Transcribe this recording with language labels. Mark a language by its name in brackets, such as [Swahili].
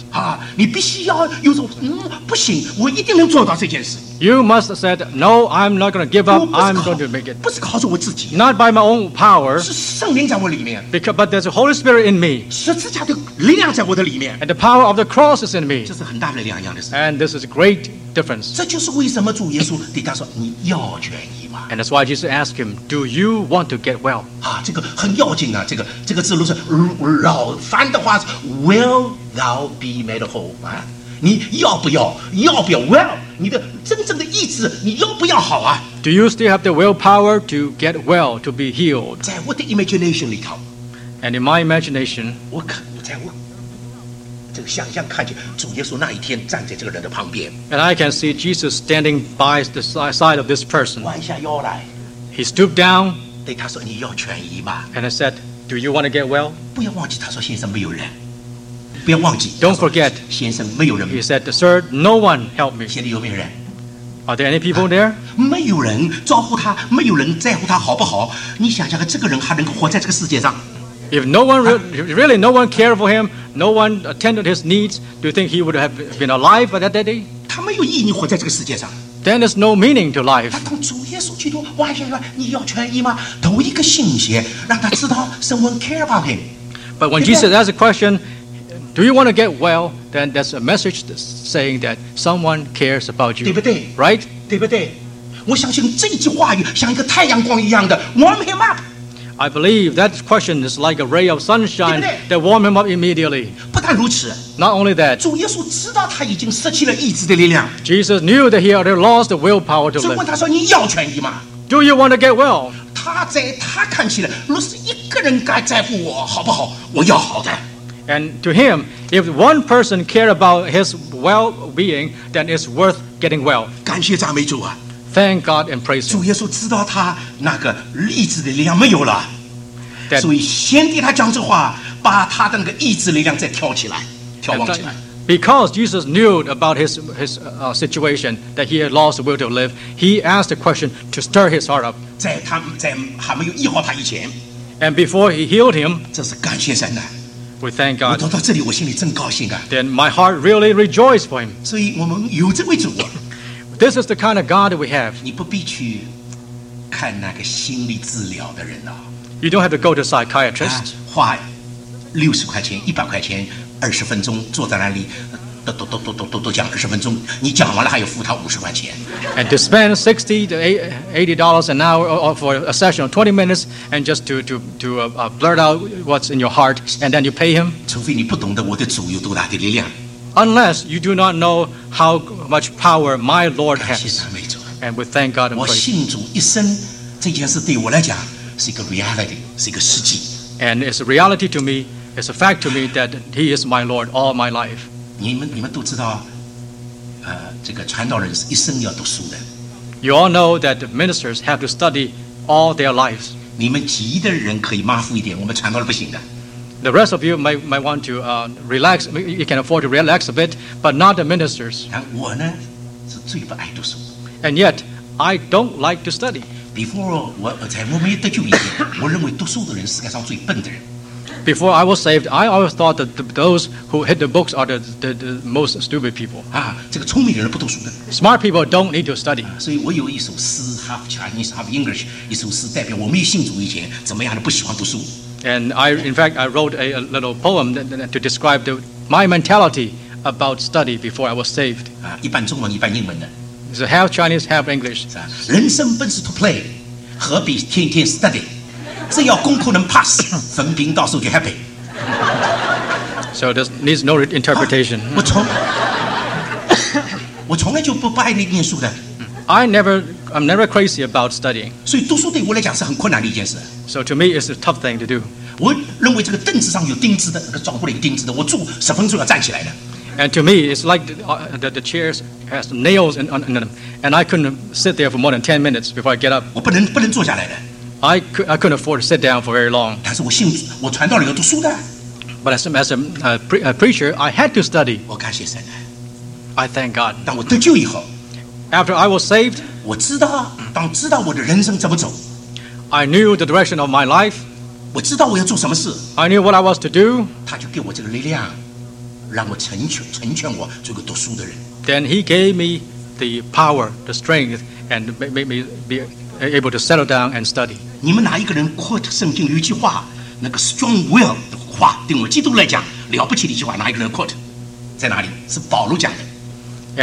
[Chinese] 啊, 你必须要有种, 不行, 我一定能做到这件事。 [English] You must have said, no, I'm not going to give up, I'm going to make it. [Chinese] 不是靠着我自己, [English] not by my own power, [Chinese] 是圣灵在我里面, [English] because, but there's a Holy Spirit in me. [Chinese] 十字架的灵量在我的里面, [English] and the power of the cross is in me. [Chinese] 这是很大的两样的事, [English] and this is a great difference. [Chinese] 这就是为什么主耶稣对他说,你要痊愈吗? [English] And that's why Jesus asked him, do you want to get well? [Chinese] 啊, 这个很要紧啊, 这个字如是,老翻的话, [English] will thou be made whole? [Chinese] 啊? 你要不要 well? 你的真正的意志,你要不要好啊? [English] Do you still have the willpower to get well, to be healed? [Chinese] 在我的 imagination 里头, [English] and in my imagination, [Chinese] 我想象看见主耶稣那一天站在这个人的旁边, [English] and I can see Jesus standing by the side of this person. [Chinese] 弯下腰来, [English] he stooped down, [Chinese] 对他说,你要痊愈吗? [English] And I said, do you want to get well? [Chinese] 不要忘记,他说先生没有人。 [English] Don't forget, [Chinese] 先生没有人, [English] he said, sir, no one helped me. [Chinese] 现在有没有人? [English] Are there any people there? [Chinese] 没有人照顾他, 没有人在乎他好不好, 你想想这个人还能活在这个世界上? [English] If no one really no one cared for him, no one attended his needs, do you think he would have been alive by that day? [Chinese] 他没有意义活在这个世界上。 [English] Then there's no meaning to life. [Chinese] 他当主耶稣基督,哇,你要痊愈吗? 投一个信息, 让他知道, [English] someone care about him. But when Jesus asked a question, Do you want to get well? Then that's a message saying that someone cares about you. [Chinese] 对不对? [English] Right? [Chinese] 对不对?我相信这句话语像一个太阳光一样的, [English] warm him up. I believe that question is like a ray of sunshine [Chinese] 对不对? [English] That warm him up immediately. [Chinese] 不但如此, [English] Not only that, [Chinese] 主耶稣知道他已经失去了意志的力量。 [English] Jesus knew that he had lost the willpower to live. [Chinese] 所以问他说, 你要痊愈吗? [English] Do you want to get well? [Chinese] 他在他看起来, 若是一个人该在乎我, 好不好? 我要好的。 [English] And to him, if one person cared about his well-being, then it's worth getting well. [Chinese] 感谢赞美主啊。 [English] Thank God and praise him. [Chinese] 主耶稣知道他那个意志的力量没有了。所以先对他讲这话，把他的那个意志力量再挑起来，眺望起来。 [English] Because Jesus knew about his situation, that he had lost the will to live, he asked the question to stir his heart up. [Chinese] 在他在还没有医好他以前。 [English] And before he healed him, [Chinese] 这是感谢神啊。 [English] We thank God. [Chinese] 我读到这里，我心里真高兴啊。 [English] Then my heart really rejoiced for him. [Chinese] 所以我们有这位主。 [English] This is the kind of God that we have. [Chinese] 你不必去看那个心理治疗的人哦。 [English] You don't have to go to psychiatrist. [Chinese] 花六十块钱、一百块钱、二十分钟坐在那里，都讲二十分钟，你讲完了还要付他五十块钱。 [English] And to spend $60 to $80 an hour for a session of 20 minutes and just to blurt out what's in your heart and then you pay him. [Chinese] 除非你不懂得我的主有多大的力量。 [English] Unless you do not know how much power my Lord has. [Chinese] 感谢赞美主。 [English] And we thank God and praise. [Chinese] 我信主一生，这件事对我来讲是一个 reality， 是一个实际。 [English] And it's a reality to me. It's a fact to me that He is my Lord all my life. [Chinese] 你们都知道，这个传道人是一生要读书的。 [English] You all know that the ministers have to study all their lives. [Chinese] 你们急的人可以马虎一点，我们传道人不行的。 [English] The rest of you might want to relax. You can afford to relax a bit, but not the ministers. [Chinese] 但我呢是最不爱读书。 [English] And yet, I don't like to study. [Chinese] Before 我在我没得救以前，我认为读书的人是世界上最笨的人。 [English] Before I was saved, I always thought that those who hit the books are the most stupid people. [Chinese] 啊，这个聪明人不读书的。 [English] Smart people don't need to study. [Chinese] 所以我有一首诗 ， [English] half Chinese, half English， [Chinese] 一首诗代表我没有信主以前怎么样的不喜欢读书。 [English] And I, in fact, I wrote a little poem to describe my mentality about study before I was saved. [Chinese] 啊，一半中文，一半英文的。 [English] It's a half Chinese, half English. [Chinese] 是啊，人生本是 [English] to play， [Chinese] 何必天天 study？只要功课能 pass， 分屏到手就 happy。 [English] So this needs no interpretation. [Chinese] 我从来就不爱念书的。 [English] I'm never crazy about studying. [Chinese] 所以读书对我来讲是很困难的一件事。 [English] So to me, it's a tough thing to do. [Chinese] 我认为这个凳子上有钉子的，那个床铺里有钉子的，我坐十分钟要站起来的。 [English] And to me, it's like the chairs has nails in them, and I couldn't sit there for more than 10 minutes before I get up. [Chinese] 我不能坐下来的。 [English] I couldn't afford to sit down for very long. [Chinese] 但是我信主，我传道人要读书的。 [English] But as a preacher, I had to study. [Chinese] 我感谢神。 [English] I thank God. [Chinese] 当我得救以后 [English] ，After I was saved, [Chinese] 我知道当知道我的人生怎么走。 [English] I knew the direction of my life. [Chinese] 我知道我要做什么事。 [English] I knew what I was to do. [Chinese] 他就给我这个力量，让我成全我这个读书的人。 [English] Then he gave me the power, the strength, and made me be. Able to settle down and study. [Chinese] 你们哪一个人 quote 圣经有一句话，那个 strong will 的话，对我基督来讲了不起的一句话，哪一个人 quote 在哪里？是保罗讲的。